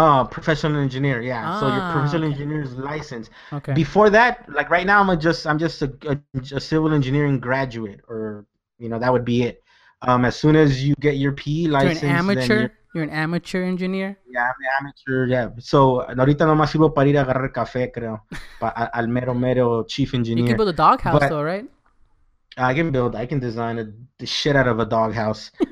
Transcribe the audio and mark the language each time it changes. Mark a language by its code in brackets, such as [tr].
[en] Professional engineer. Yeah. So your professional engineer's license. Okay. Before that, like, right now I'm just a civil engineering graduate, or, you know, that would be it. As soon as you get your PE license, you're an amateur. You're an amateur engineer. Yeah, I'm an amateur. Yeah. [es] So ahorita no más sirvo para ir a agarrar café, creo. [en] But [es] al mero mero [en] chief engineer. You can build a doghouse, though, right? I can design the shit out of a doghouse.